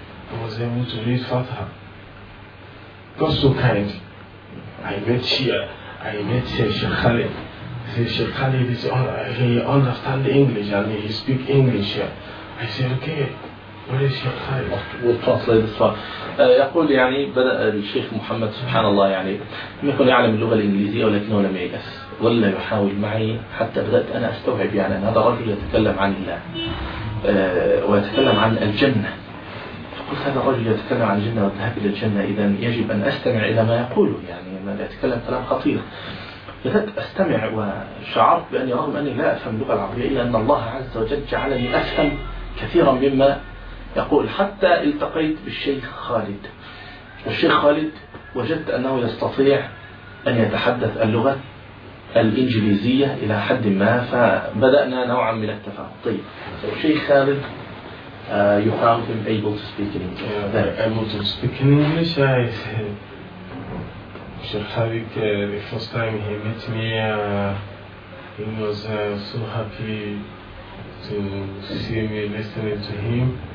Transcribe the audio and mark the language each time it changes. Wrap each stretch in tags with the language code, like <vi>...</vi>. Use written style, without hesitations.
<en>I was able to read Fatha. God so kind. I met here Sheikh Khalid. Sheikh Khalid is he understand English and he speak English here. I said, okay, where is Sheikh Khalid? We'll translate this far.</en> <ar>يقول يعني بدأ الشيخ محمد سبحان الله يعني لم يكن يعلم اللغة الإنجليزية ولكنه لم ييأس ولا يحاول معي حتى بدأت أنا أستوعب يعني أن هذا الرجل يتكلم عن الله ويتكلم عن الجنة. فقلت هذا الرجل يتكلم عن الجنة والذهاب إلى الجنة، إذا يجب أن أستمع إلى ما يقوله، يعني أنا أتكلم كلام خطير. بدأت أستمع وشعرت بأني رغم أني لا أفهم اللغة العربية إلا أن الله عز وجل جعلني أفهم كثيرا مما يقول، حتى التقيت بالشيخ خالد. والشيخ خالد وجدت أنه يستطيع أن يتحدث اللغة الإنجليزية إلى حد ما، فبدأنا نوعا من التفاهم.</ar> <en>طيب، الشيخ خالد you found him able to speak in English. Able to speak in English. I said, Sheikh Khalid, the first time he met me, he was so happy to see me listening to him.</en>